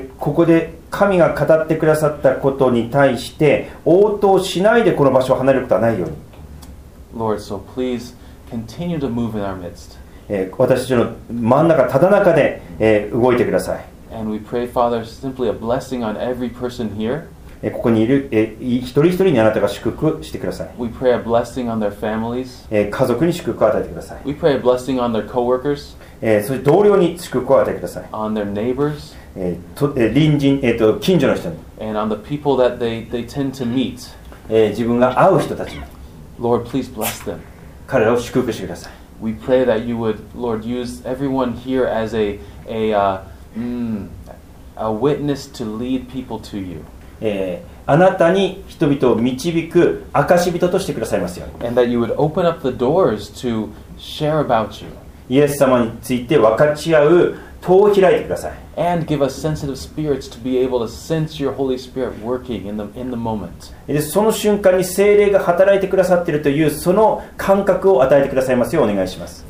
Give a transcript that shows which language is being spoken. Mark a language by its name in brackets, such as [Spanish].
[Japanese] ここで神が語ってくださったことに対して応答しないでこの場所を離れることはないように。 [English] Lord, so please continue to move in our midst. [Japanese] 私たちの真ん中、ただ中で、動いてください。 [English] And we pray, Father, simply a blessing on every person here. [Japanese] ここにいる、一人一人にあなたが祝福してください。 [English] We pray a blessing on their families. [Japanese] 家族に祝福を与えてください。 [English] We pray a blessing on their coworkers. [Japanese] そして同僚に祝福を与えてください。 [English] On their neighbors. [Japanese] 隣人、近所の人に。 [English] And on the people that they tend to meet. [Japanese] 自分が会う人たちに。 [English] Lord, please bless them. [Japanese] 彼らを祝福してください。 [English] We pray that you would, Lord, use everyone here as a witness to lead people to you. [Japanese] あなたに人々を導く証人としてくださいますように。 [English] And that you would open up the doors to share about you. [Japanese] イエス様について分かち合う戸を開いてください。 [English] And give us sensitive spirits to be able to sense your Holy Spirit working in the moment. [Japanese] その瞬間に聖霊が働いてくださっているというその感覚を与えてくださいますようお願いします。